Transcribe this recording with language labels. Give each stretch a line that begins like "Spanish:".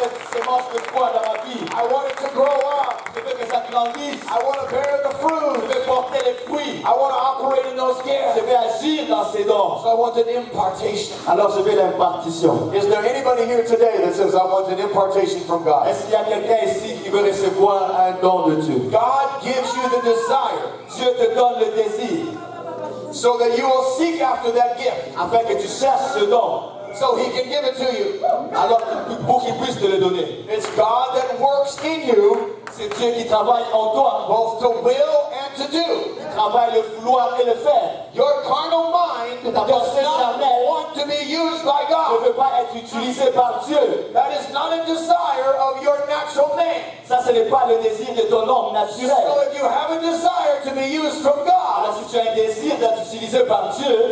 French: Cette foi dans ma vie.
English: I want it to grow up.
French: Je veux que ça grandisse.
English: I want to bear the fruit.
French: Je veux porter les fruits.
English: I want to operate in those gifts.
French: Je veux agir dans ces dons.
English: So I want an impartation.
French: Alors je veux l'impartition.
English: Is there anybody here today that says I want an impartation from God?
French: Est-ce qu'il y a quelqu'un ici qui veut recevoir un don de Dieu?
English: God gives you the desire.
French: Dieu te donne le désir.
English: So that you will seek after that gift.
French: Afin que tu cherches ce don.
English: So he can give it to you.
French: Alors pour qu'il puisse te le donner.
English: It's God that works in you.
French: C'est Dieu qui travaille en toi,
English: both to will and to do.
French: Il travaille le vouloir et le faire.
English: Your carnal mind does not want to be used by God.
French: Ne veut pas être utilisé par Dieu.
English: That is not a desire of your natural man.
French: Ça, ce n'est pas le désir de ton homme naturel.
English: So if you have a desire to be used from God,
French: alors si tu as un désir d'être utilisé par Dieu,